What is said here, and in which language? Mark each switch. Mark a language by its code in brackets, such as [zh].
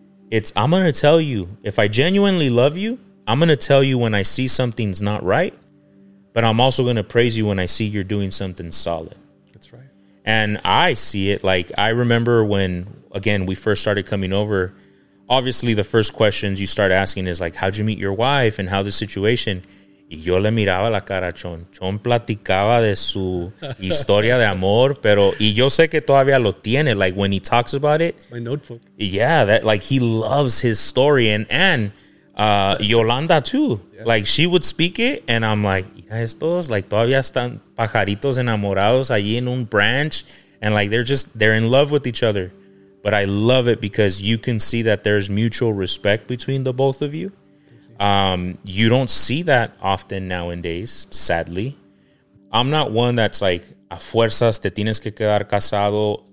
[en] It's I'm going to tell you, if I genuinely love you, I'm going to tell you when I see something's not right. But I'm also going to praise you when I see you're doing something solid. That's right. And I see it, like, I remember when, again, we first started coming over, obviously the first questions you start asking is like, how'd you meet your wife and how the situation? [es] Y yo le miraba la cara a Chon. Chon platicaba de su historia de amor, pero y yo sé que todavía lo tiene. [en] Like when he talks about it. My notebook. Yeah, that like he loves his story. And Yolanda too. Yeah. Like she would speak it and I'm like, [es] ¿y estos? Like todavía están pajaritos enamorados allí en un branch. [en] And like they're in love with each other. But I love it because you can see that there's mutual respect between the both of you. You don't see that often nowadays, sadly. I'm not one that's like, [es] a fuerzas te tienes que quedar casado.